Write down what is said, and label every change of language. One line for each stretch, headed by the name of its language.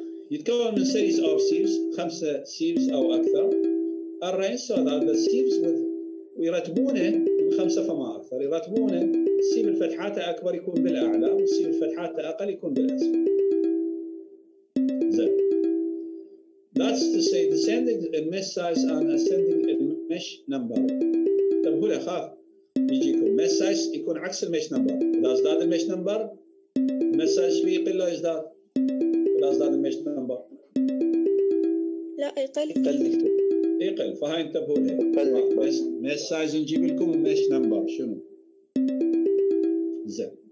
Arabic: يتكون من
English: series of sieves،
Arabic: خمسة sieves أو أكثر.
English: arrange so that the sieves with
Arabic: ويرتبونه خمسة فما أكثر، يرتبونه سيب الفتحات أكبر يكون بالأعلى وسيب الفتحات أقل يكون بالأسفل. زين.
English: That's to say descending mesh size and ascending mesh number.
Arabic: تبهوا لي خاف يجيكم mesh size يكون عكس mesh number. إذا ازداد mesh number mesh size فيه يقل له ازداد. إذا ازداد mesh number لا يقل. يقل فهاي انتبهوا لي. mesh size نجيب لكم mesh number شنو؟ زين.